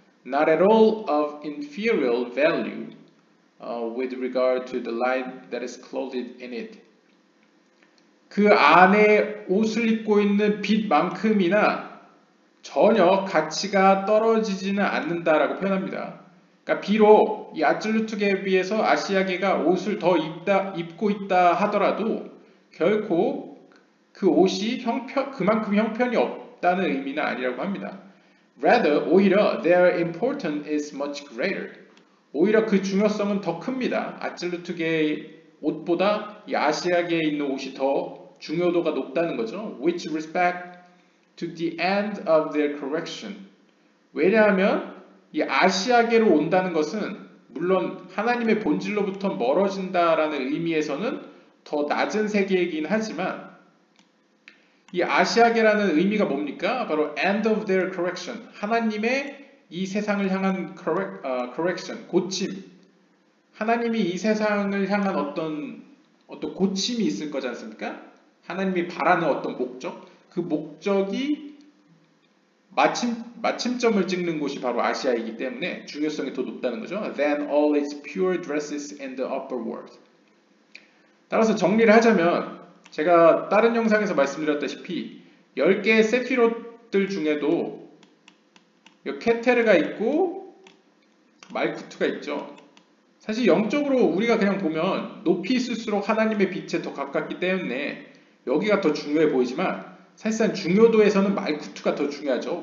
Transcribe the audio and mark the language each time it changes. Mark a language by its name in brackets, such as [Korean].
[English] not at all of inferior value with regard to the light that is clothed in it. [Korean] 그 안에 옷을 입고 있는 빛만큼이나 전혀 가치가 떨어지지는 않는다라고 표현합니다. 그러니까 비록 이 아찔루트계에 비해서 아시아계가 옷을 더 입고 있다 하더라도 결코 그 옷이 그만큼 형편이 없다는 의미는 아니라고 합니다. [English] Rather, [Korean] 오히려 [English] their importance is much greater. [Korean] 오히려 그 중요성은 더 큽니다. 아찔루트계의 옷보다 이 아시아계에 있는 옷이 더 중요도가 높다는 거죠. [English] Which respect to the end of their correction. [Korean] 왜냐하면 이 아시아계로 온다는 것은 물론 하나님의 본질로부터 멀어진다라는 의미에서는 더 낮은 세계이긴 하지만 이 아시아계라는 의미가 뭡니까? 바로 [English] end of their correction. [Korean] 하나님의 이 세상을 향한 correction, 고침. 하나님이 이 세상을 향한 어떤 고침이 있을 거지 않습니까? 하나님이 바라는 어떤 목적. 그 목적이 마침점을 찍는 곳이 바로 아시아이기 때문에 중요성이 더 높다는 거죠. [English] Than all its pure dresses in the upper world. [Korean] 따라서 정리를 하자면 제가 다른 영상에서 말씀드렸다시피 10개의 세피롯들 중에도 케테르가 있고 말쿠트가 있죠. 사실 영적으로 우리가 그냥 보면 높이 있을수록 하나님의 빛에 더 가깝기 때문에 여기가 더 중요해 보이지만 사실상 중요도에서는 말쿠트가 더 중요하죠.